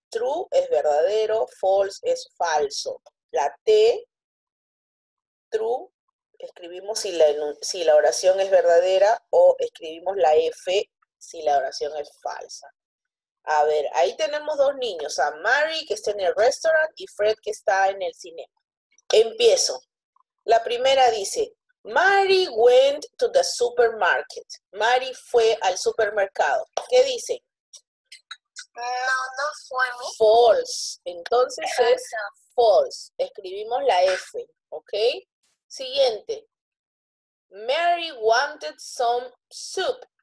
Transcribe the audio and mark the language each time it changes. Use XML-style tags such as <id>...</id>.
<es>True es verdadero, false es falso. La T, true, escribimos si la oración es verdadera, o escribimos la F si la oración es falsa. A ver, ahí tenemos dos niños, a Mary que está en el restaurant y Fred que está en el cine. Empiezo. La primera dice,</es> <en>Mary went to the supermarket.</en> <es>Mary fue al supermercado. ¿Qué dice? No fue. False. Entonces es false. Escribimos la F, ¿ok? Siguiente.</es> <en>Mary wanted some soup.</en>